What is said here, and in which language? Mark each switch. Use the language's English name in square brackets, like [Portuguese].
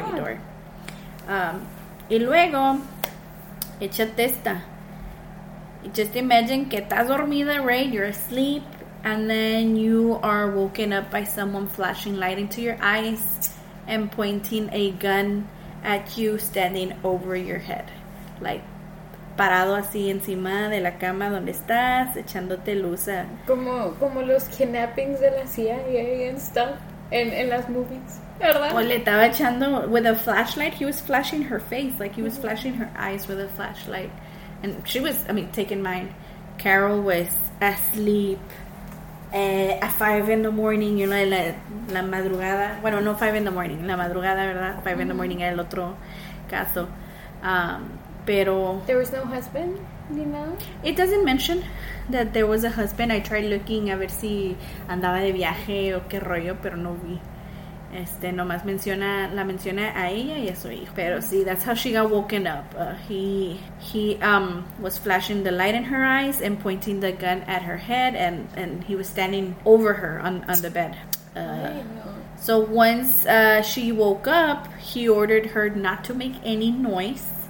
[Spanish] Doggy door. Y luego, échate esta. [English] Just imagine [Spanish] que estás dormida, [English] right? You're asleep, and then you are woken up by someone flashing light into your eyes and pointing a gun at you standing over your head. [Spanish] Parado así encima de la cama donde estás, echándote luz a... Como los kidnappings de la CIA and stuff en las movies, ¿verdad? O le estaba echando... [English] With a flashlight, he was flashing her face. He was flashing her eyes with a flashlight. And she was, taking mine. Carol was asleep at 5 in the morning, you know, [Spanish] la madrugada. Bueno, no [English] 5 in the morning, [Spanish] la madrugada, ¿verdad? 5 in the morning era el otro caso. Pero... [English] There was no husband? you know? It doesn't mention that there was a husband. I tried looking [Spanish] a ver si andaba de viaje o qué rollo, pero no vi. Nomás menciona, la menciona a ella y a su hijo. [English] Pero sí, that's how she got woken up. He was flashing the light in her eyes and pointing the gun at her head, and he was standing over her on the bed. So once she woke up, he ordered her not to make any noise.